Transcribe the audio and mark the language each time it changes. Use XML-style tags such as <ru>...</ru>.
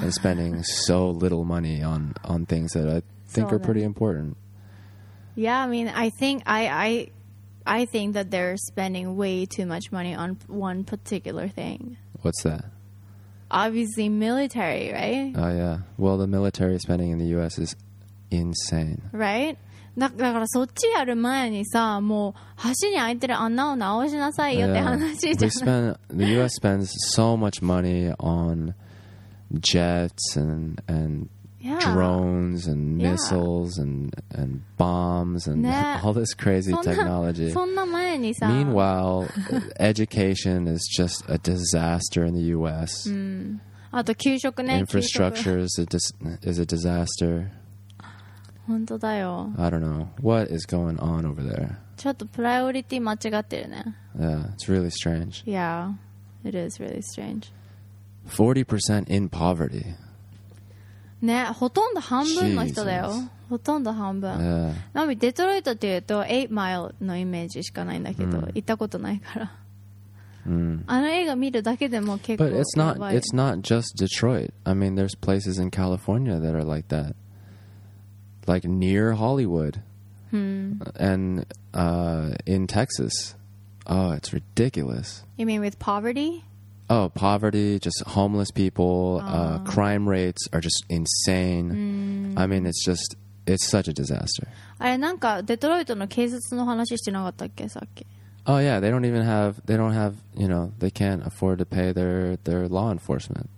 <en>And spending so little money on things that I think are pretty important. Yeah, I mean, I think that they're spending way too much money on one particular thing. What's that? Obviously military, right? Oh, yeah. Well, the military spending in the U.S. is insane. Right?</en> <ja>だからそっちやる前にさ、もう橋に開いてる穴を直しなさいよって話じゃん。</ja> <en>The U.S. spends so much money on jets and drones and missiles and bombs and all this crazy technology.</en> <ja>そんな前にさ。</ja> <en>Meanwhile, education is just a disaster in the U.S.</en> <ja>あと給食ね。</ja> <en>Infrastructure is a disaster.</en> <ja>本当だよ。</ja> <en>I don't know. What is going on over there?</en> <ja>ちょっとプライオリティ間違ってるね。</ja> <en>Yeah, it's really strange. Yeah, it is really strange. 40% in poverty.</en> <ja>ね、ほとんど半分の人だよ。ほとんど半分。なみ、デトロイトっていうと8 mile のイメージしかないんだけど、行ったことないから。あの映画見るだけでも結構</ja> <en>But it's not just Detroit. I mean, there's places in California that are like that. Like near Hollywood. And in Texas. Oh, it's ridiculous. You mean with poverty? Oh, poverty, just homeless people, crime rates are just insane. I mean, it's just, it's such a disaster.</en> <ja>あれ、なんかデトロイトの警察の話してなかったっけ、さっき。</ja> <en>Oh yeah, they don't have, you know, they can't afford to pay their law enforcement.</en>